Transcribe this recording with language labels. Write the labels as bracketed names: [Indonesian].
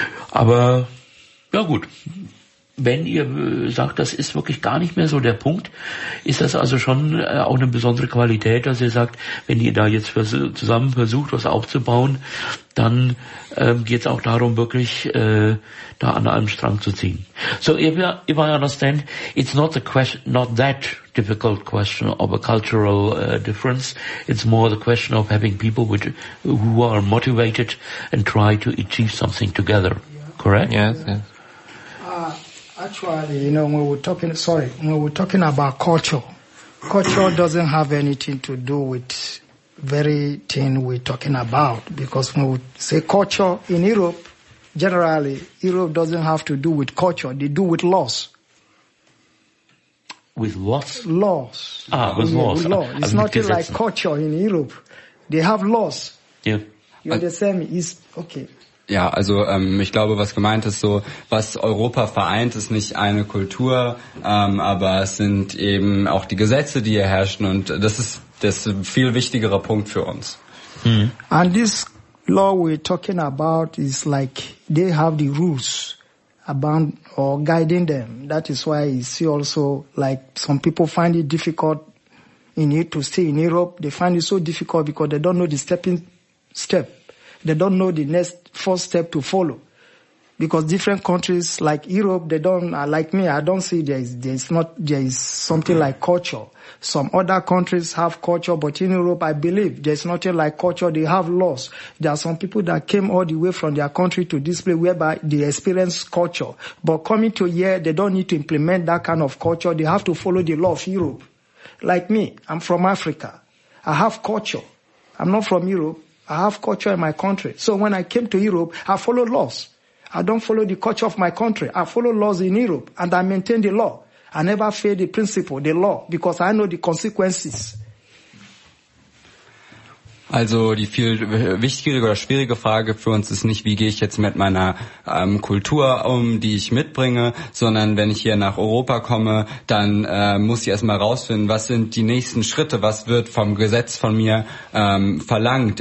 [German] Aber ja gut, wenn ihr sagt, das ist wirklich gar nicht mehr so der Punkt, ist das also schon auch eine besondere Qualität, dass ihr sagt, wenn ihr da jetzt zusammen versucht, was aufzubauen, dann geht es auch darum, wirklich da an einem Strang zu ziehen. [English] So, if I understand, it's not a question, not that difficult question of a cultural difference. It's more the question of having people who are motivated and try to achieve something together. Yeah. Correct? Yes. Actually, you know, when we're talking about culture, culture doesn't have anything to do with very thing we're talking about. Because when we say culture in Europe, generally, Europe doesn't have to do with culture. They do with laws. With what? Laws. Ah, with laws. It's not like culture in Europe. They have laws. Yeah. You understand me? It's okay. [German] Ja, also ich glaube, was gemeint ist, so was Europa vereint, ist nicht eine Kultur, aber es sind eben auch die Gesetze, die hier herrschen, und das ist ein viel wichtigerer Punkt für uns. Hm. [English] And this law we're talking about is like they have the rules about or guiding them. That is why you see also like some people find it difficult in it to stay in Europe. They find it so difficult because they don't know the stepping step. They don't know the next first step to follow, because different countries like Europe, they don't like me. I don't see there is something like culture. Some other countries have culture, but in Europe, I believe there's nothing like culture. They have laws. There are some people that came all the way from their country to this place whereby they experience culture. But coming to here, they don't need to implement that kind of culture. They have to follow the law of Europe. Like me, I'm from Africa. I have culture. I'm not from Europe. I have culture in my country. So when I came to Europe, I follow laws. I don't follow the culture of my country. I follow laws in Europe, and I maintain the law. I never fear the principle, the law, because I know the consequences. [German] Also die viel wichtigere oder schwierige Frage für uns ist nicht, wie gehe ich jetzt mit meiner Kultur um, die ich mitbringe, sondern wenn ich hier nach Europa komme, dann muss ich erstmal rausfinden, was sind die nächsten Schritte, was wird vom Gesetz von mir verlangt.